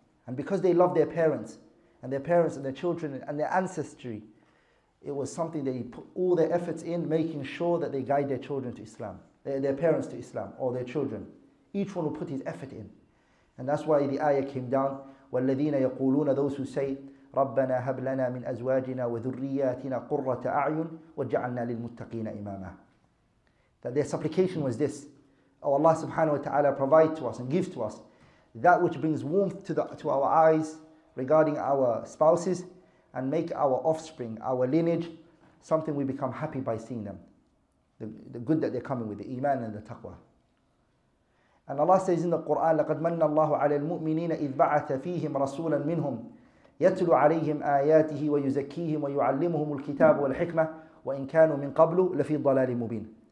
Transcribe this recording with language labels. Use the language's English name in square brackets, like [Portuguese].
[English] And because they love their parents, and their parents and their children and their ancestry, it was something they put all their efforts in, making sure that they guide their children to Islam, their parents to Islam, or their children. Each one will put his effort in. And that's why the ayah came down. [Arabic] وَالَّذِينَ يَقُولُونَ, [English] those who say, [Arabic] رَبَّنَا هَبْ لَنَا مِنْ أَزْوَاجِنَا وَذُرِّيَّاتِنَا قُرَّةَ أَعْيُنٍ وَجَعَلْنَا لِلْمُتَّقِينَ إِمَامًا. [English] That their supplication was this. Oh, Allah subhanahu wa ta'ala provide to us and give to us that which brings warmth to our eyes regarding our spouses, and make our offspring, our lineage, something we become happy by seeing them. The good that they're coming with, the iman and the taqwa. And Allah says in the Quran, [Arabic] لَقَدْ مَنَّ اللَّهُ عَلَى الْمُؤْمِنِينَ إِذْ بَعَثَ فِيهِمْ رَسُولًا مِّنْهُمْ يَتْلُ عَلَيْهِمْ آيَاتِهِ وَيُزَكِّيهِمْ وَيُعَلِّمُهُمُ الْكِتَابُ وَالْحِكْمَةِ وَإِنْ كَانُوا مِنْ قَبْلُ لَفِي ضَلَالٍ مُبِينٍ.